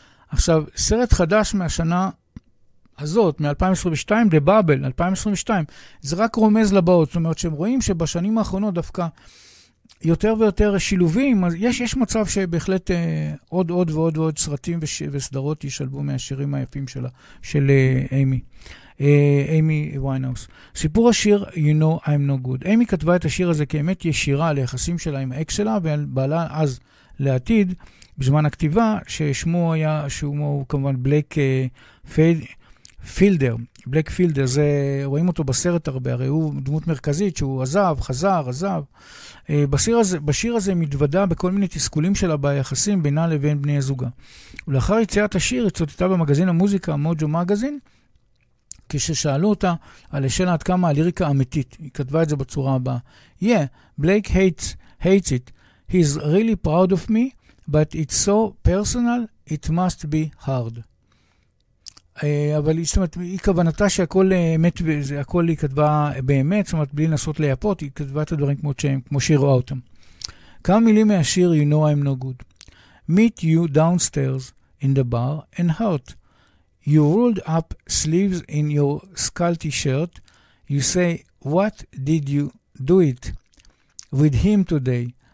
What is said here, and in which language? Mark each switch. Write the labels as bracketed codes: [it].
[he] עכשיו, סרט חדש מהשנה הזאת, מ-2022, The Bubble, 2022, זה רק רומז לבאות, זאת אומרת שהם רואים שבשנים האחרונות דווקא יותר ויותר שילובים, אז יש מצב שבהחלט עוד ועוד סרטים וסדרות ישלבו מהשירים היפים שלה, של איימי, איימי ויינהאוס. סיפור השיר, You Know I'm No Good. איימי כתבה את השיר הזה כאמת ישירה ליחסים שלה עם האקס שלה, ובעלה אז לעתיד, בזמן הכתיבה, ששמו היה, שהוא כמובן בלייק פייד, פילדר, בלק פילדר, זה רואים אותו בסרט הרבה, הרי הוא דמות מרכזית שהוא עזב, חזר, עזב. בשיר הזה מתוודע בכל מיני תסכולים שלה ביחסים בינה לבין בני הזוגה. ולאחר יציאת השיר הצוטטה במגזין המוזיקה מוג'ו מגזין, כששאלו אותה על השאלה עד כמה הליריקה אמיתית. היא כתבה את זה בצורה הבאה. [en] Yeah, Blake hates it. He's really proud of me, but it's so personal, it must be hard. [he] אבל זאת אומרת, היא כוונתה שהכל אמת, הכל היא כתבה באמת, זאת אומרת, בלי לנסות ליפות, היא כתבה את הדברים כמו שהיא רואה אותם. כמה מילים מהשיר, [en] You Know I'm No Good. Meet you downstairs in the bar and hurt. You rolled up sleeves in your skull t-shirt. You say, what did you do it with him today?